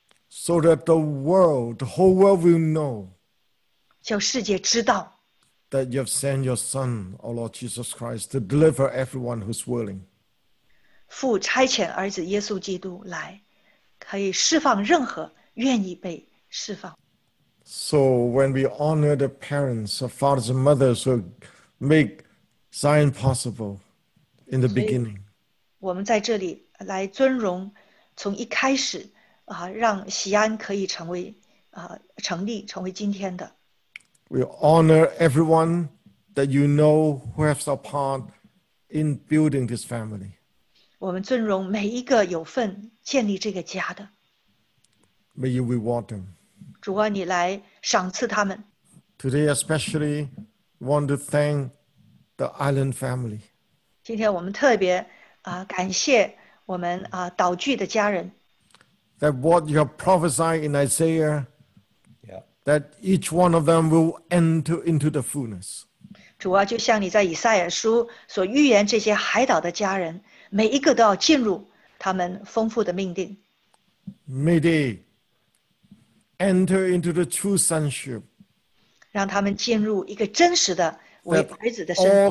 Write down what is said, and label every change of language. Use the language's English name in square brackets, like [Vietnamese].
[English] So that the world, the whole world will know, [Chinese] 叫世界知道, [English] that you have sent your Son, our Lord Jesus Christ, to deliver everyone who's willing. [Chinese] 父差遣儿子耶稣基督来, 可以释放任何愿意被释放。 [English] So when we honor the parents, the fathers and mothers who make Zion possible in the beginning, [Chinese] 我们在这里来尊荣从一开始 让西安可以成立成为今天的。 [English] We honor everyone that you know who has a part in building this family. [Chinese] 我们尊荣每一个有份建立这个家的。 [English] May you reward them. [Chinese] 主啊, 你来赏赐他们。 [English] Today especially, I want to thank the Island family. [Chinese] 今天我们特别, 感谢我们, 岛聚的家人。 [English] That what you have prophesied in Isaiah, yeah, that each one of them will enter into the fullness. [Chinese] 主啊, 就像你在以赛亚书所预言这些海岛的家人, 每一个都要进入他们丰富的命定。 [English] May they enter into the true sonship. [Chinese] 让他们进入一个真实的为儿子的身份。